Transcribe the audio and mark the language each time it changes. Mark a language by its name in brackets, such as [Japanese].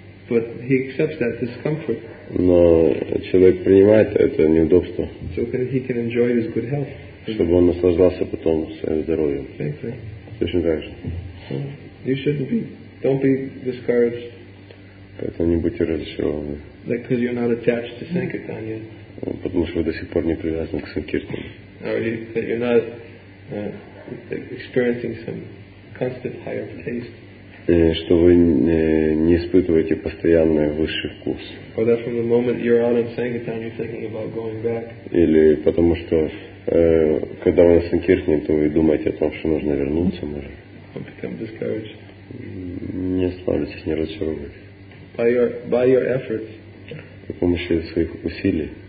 [English] But he accepts that discomfort. [Russian] Но человек принимает это неудобство. [English] So he can enjoy his good health. [Russian] Чтобы он наслаждался потом своим здоровьем. [English] Exactly. [Russian] Точно так же. [English] You shouldn't be. Don't be discouraged. [Russian] Поэтому не будьте разочарованы. [English] Like, because you're not attached to sankirtan yet. [Russian] Потому что вы до сих пор не привязаны к санкиртане. [English] Or that you're not experiencing some constant higher taste. [Russian] Что вы не испытываете постоянный высший вкус. [English] Or that from the moment you're out in sankirtan, you're thinking about going back. [Russian] Или потому что когда вы на санкиртане, то вы думаете о том, что нужно вернуться, может. [English] Or become discouraged. [Russian] Не останавливайтесь, не разочаровывайтесь. [English] By your efforts. [Russian] При помощи своих усилий.